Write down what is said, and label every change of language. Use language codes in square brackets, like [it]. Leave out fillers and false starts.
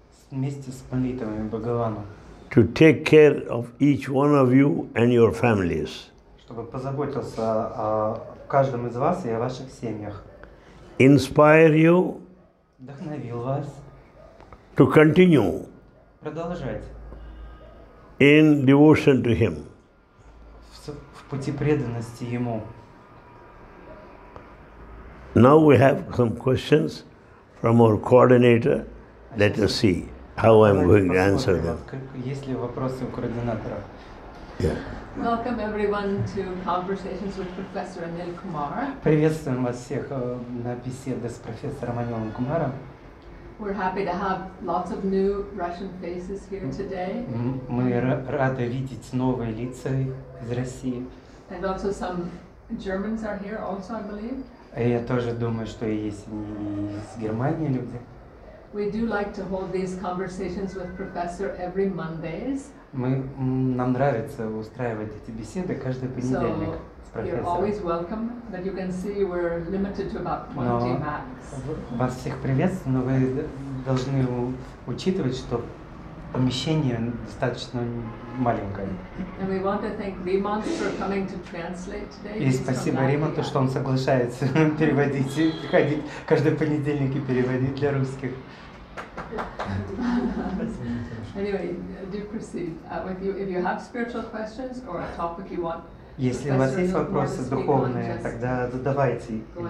[ru] Вместе с молитвами Бхагавану. [en] To take care of each one of you and your families. [ru] Чтобы позаботился о каждом из вас и о ваших семьях. [en] Inspire you. [ru] Вдохновил вас. [en] To continue. [ru] Продолжать. [en] In devotion to Him. [ru] Пути преданности ему. [en] Now we have some questions from our coordinator. Let us see how I'm going to answer them. [ru] Есть ли вопросы у координатора? [en] Welcome everyone to Conversations with Professor Anil Kumar. [ru] Приветствуем вас всех на беседе с профессором Анилом Кумаром. [en] We're happy to have lots of new Russian faces here today. [ru] Мы рады видеть новые лица из России. [en] And also some Germans are here also, I believe. [ru] Я тоже думаю, что есть не из Германии люди. [en] We do like to hold these conversations with professor every Mondays. [ru] Нам нравится устраивать эти беседы каждый понедельник с профессором. [en] You're always welcome, but you can see we're limited to about 20 max. [ru] Вас всех приветствую, но вы должны учитывать, что помещение достаточно маленькое. [en] And we want to thank Rimont for coming to translate today. [ru] И спасибо Римонту, что он соглашается переводить, приходить каждый понедельник и переводить для русских. [en] Anyway, do proceed. With you, if you have spiritual questions or a topic you want. [ru] Если у вас есть вопросы духовные, тогда задавайте.